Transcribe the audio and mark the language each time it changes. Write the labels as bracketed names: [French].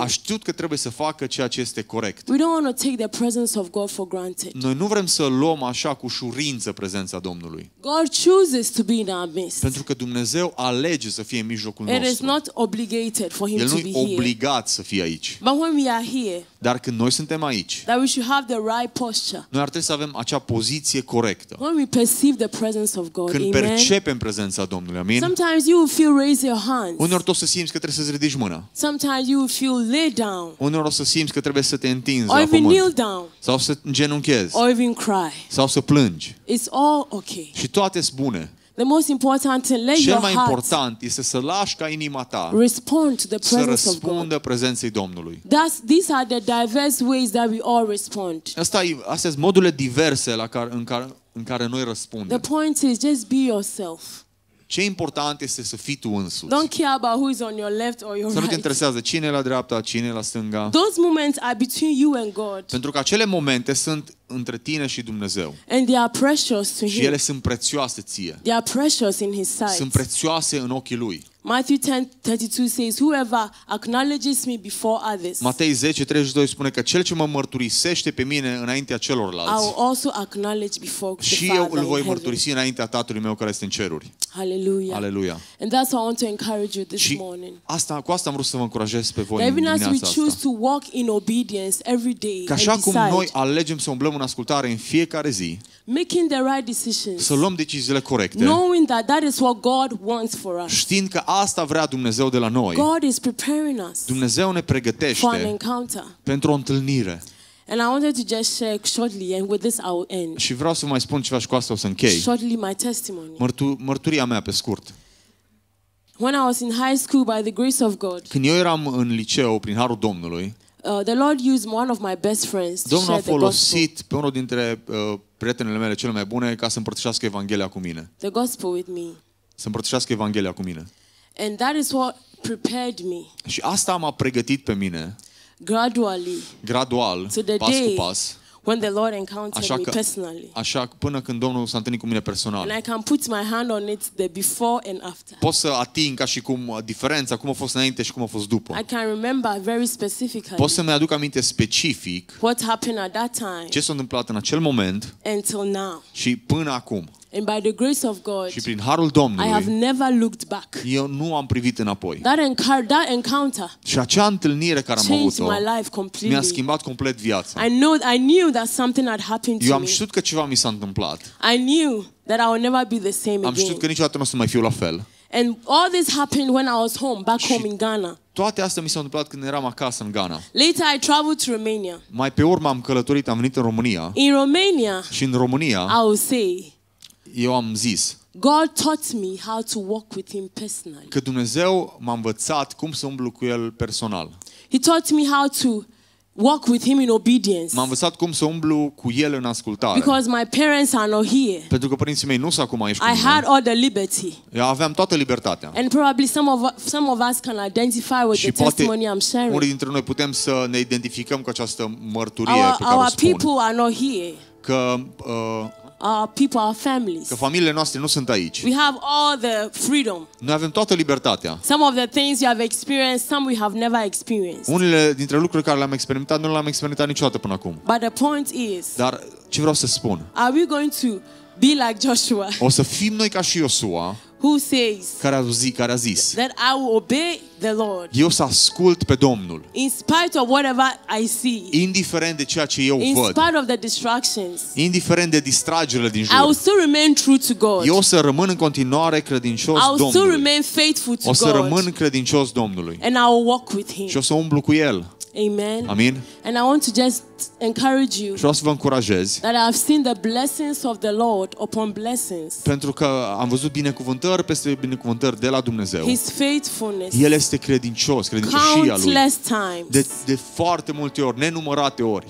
[Romanian] A știut că trebuie să facă ceea ce este corect. [English] We don't want to take the presence of God for granted. [Romanian] Noi nu vrem să luăm așa cu ușurință prezența Domnului. [English] God chooses to be in our midst. [Romanian] Pentru că Dumnezeu alege să fie în mijlocul nostru. [English] It is not obligated for him to be here. [Romanian] El nu e obligat să fie aici. [English] But when we are here. [Romanian] Dar când noi suntem aici. [English] That we should have the right posture. [Romanian] Noi ar trebui să avem acea poziție corectă. [English] When we perceive the presence of God. [Romanian] Când percepem prezența Domnului. Amin. [English] Sometimes you will feel raise your hands. [Romanian] Uneori tot să simți că trebuie să ridici mâna. [English] Sometimes you feel lay down. [Romanian] Uneori o să simți că trebuie să te întinzi [English] or [Romanian] la pământ. [English] Kneel down. [Romanian] Sau să îngenunchezi. [English] Or even cry. [Romanian] Sau să plângi. [English] It's all okay. [Romanian] Și toate sunt bune. [English] The most important to let [Romanian] cel [English] your [Romanian] mai [English] heart [Romanian] important este să lași ca inima ta [English] respond to the presence [Romanian] să răspundă [English] of God. [Romanian] Prezenței Domnului. [English] That's, these are the diverse ways that we all respond. [Romanian] Astea sunt modurile diverse în care noi răspundem. [English] The point is just be yourself. [Romanian] Ce important este să fii tu însuți. [English] Don't care about who is on your left or your right. [Romanian] Să nu te interesează cine e la dreapta, cine e la stânga. [English] Those moments are between you and God. [Romanian] Pentru că acele momente sunt între tine și Dumnezeu. [English] And they are precious to him. [Romanian] Și ele sunt prețioase ție. [English] They are precious in his sight. [Romanian] Sunt prețioase în ochii lui. [English] Matthew 10:32 says whoever acknowledges me before others. [Romanian] Matei 10:32 spune că cel ce mă mărturisește pe mine înaintea celorlalți. [English] I will also acknowledge before the Father. [Romanian] Și eu îl voi mărturisi înaintea Tatălui meu care este în ceruri. [English] Hallelujah. Hallelujah. And that's what I want to encourage you this morning. [Romanian] Asta cu asta am vrut să vă încurajez pe voi. [English] Even as we choose to walk in obedience every day. [Romanian] Ca așa cum noi alegem să umblăm în ascultare în fiecare zi. [English] Making the right decisions. [Romanian] Să luăm deciziile corecte. [English] Knowing that that is what God wants for us. [Romanian] Știind că asta vrea Dumnezeu de la noi. [English] God is preparing us. [Romanian] Dumnezeu ne pregătește. [English] For an encounter. [Romanian] Pentru o întâlnire. [English] And I wanted to just share shortly and with this I will end. [Romanian] Și vreau să mai spun ceva și cu asta o să închei. [English] Shortly my testimony. [Romanian] Mărturia mea pe scurt. [English] When I was in high school by the grace of God. [Romanian] Când eu eram în liceu prin harul Domnului. [English] The Lord used one of my best friends to share the gospel. [Romanian] Domnul a folosit pe unul dintre prietenele mele cele mai bune ca să împărtășească Evanghelia cu mine. [English] The gospel with me. [Romanian] Să împărtășească Evanghelia cu mine. [English] And that is what prepared me. [Romanian] Și asta m-a pregătit pe mine. [English] Gradually. [Romanian] Gradual. [English] To the [Romanian] pas [English] day [Romanian] cu pas. [English] When the Lord encountered me personally. [Romanian] Așa până când Domnul s-a întâlnit cu mine personal. [English] And I can put my hand on it the before and after. [Romanian] Pot să ating ca și cum diferența cum a fost înainte și cum a fost după. [English] I can remember very specifically. [Romanian] Pot să-mi aduc aminte specific. [English] What happened at that time? [Romanian] Ce s-a întâmplat în acel moment? [English] Until now. [Romanian] Și până acum. [English] And by the grace of God. [Romanian] Și prin harul Domnului. [English] I have never looked back. [Romanian] Eu nu am privit înapoi. [English] That encounter. [Romanian] Și acea întâlnire care am avut-o. [English] Changed my life completely. [Romanian] Mi-a schimbat complet viața. [English] I knew that something had happened to me. [Romanian] Eu am știut că ceva mi s-a întâmplat. [English] I knew that I would never be the same again. [Romanian] Am știut că niciodată nu o să mai fiu la fel. [English] And all this happened when I was home, back home in Ghana. [Romanian] Toate astea mi s-au întâmplat când eram acasă în Ghana. [English] Later I traveled to Romania. [Romanian] Mai pe urmă am călătorit, am venit în România. [English] In Romania. [Romanian] Și în România. [English] I will say. [Romanian] Eu am zis. [English] God taught me how to walk with him personally. [Romanian] Că Dumnezeu m-a învățat cum să umblu cu el personal. [English] He taught me how to walk with him in obedience. [Romanian] M-am învățat cum să umblu cu el în ascultare. [English] Because my parents are not here. [Romanian] Pentru că părinții mei nu sunt acum aici. [English] I had all the liberty. [Romanian] Eu aveam toată libertatea. [English] And probably some of us can identify with [Romanian] și [English] the testimony I'm sharing. [Romanian] Unii dintre noi putem să ne identificăm cu această mărturie pe care o spun. [English] Our people are not here. [Romanian] Că [English] our people, our families. [Romanian] Că familiile noastre nu sunt aici. [English] We have all the freedom. [Romanian] Noi avem toată libertatea. [English] Some of the things you have experienced, some we have never experienced. [Romanian] Unele dintre lucrurile care le-am experimentat, nu le-am experimentat niciodată până acum. [English] But the point is. [Romanian] Dar ce vreau să spun? [English] Are we going to be like Joshua? [Romanian] O să fim noi ca și Iosua. [English] Who says? [Romanian] Care a zis? [English] That I will obey the Lord. [Romanian] Eu să ascult pe Domnul. [English] In spite of whatever I see. [Romanian] Indiferent de ceea ce eu [English] in [Romanian] văd. [English] In spite of the distractions. [Romanian] Indiferent de distragerile din jur. [English] I will still remain true to God. [Romanian] Eu să rămân în continuare credincios Domnului. [English] I will still remain faithful to God. [Romanian] O să rămân credincios Domnului. [English] And I will walk with him. [Romanian] Și o să umblu cu el. [English] Amen. [Romanian] Amin. [English] And I want to just encourage you. [Romanian] Vreau să vă încurajez. [English] That I have seen the blessings of the Lord upon blessings. [Romanian] Pentru că am văzut binecuvântări peste binecuvântări de la Dumnezeu. [English] His faithfulness. [Romanian] El este credincios, credincioșia lui. [English] Countless times. [Romanian] De foarte multe ori, nenumărate ori.